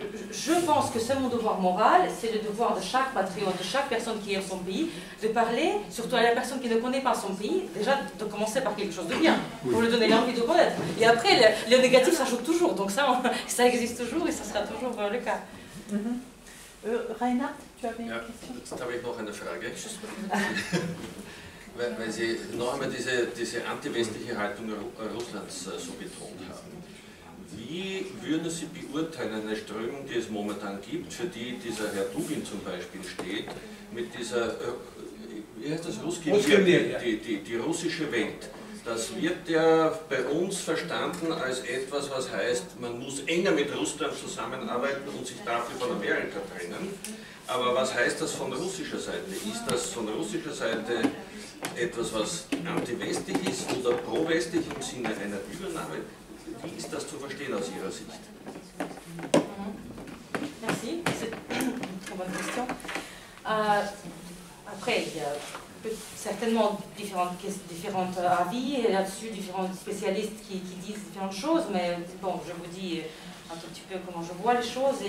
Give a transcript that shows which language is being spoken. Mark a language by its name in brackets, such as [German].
[French] je pense que c'est mon devoir moral, c'est le devoir de chaque patriote, de chaque personne qui aime son pays, de parler, surtout à la personne qui ne connaît pas son pays, déjà de commencer par quelque chose de bien, pour lui donner l'envie de connaître. Et après, le négatif s'ajoute toujours, donc ça existe toujours et ça sera toujours le cas. Mm-hmm. Reinhard, tu avais une question? Oui, j'ai encore une question. [German] Weil Sie noch einmal diese anti-westliche Haltung Russlands so betont haben. Wie würden Sie beurteilen, eine Strömung, die es momentan gibt, für die dieser Herr Dugin zum Beispiel steht, mit dieser, wie heißt das, die russische Welt? Das wird ja bei uns verstanden als etwas, was heißt, man muss enger mit Russland zusammenarbeiten und sich dafür von Amerika trennen. Aber was heißt das von russischer Seite? Ist das von russischer Seite etwas, was anti-westlich ist oder pro-westlich im Sinne einer Übernahme? Wie ist das zu verstehen aus Ihrer Sicht? [French] Merci, c'est une bonne question. Après, il y a certainement différentes avis là-dessus, différents spécialistes qui disent différentes choses, mais bon, je vous dis un tout petit peu comment je vois les choses.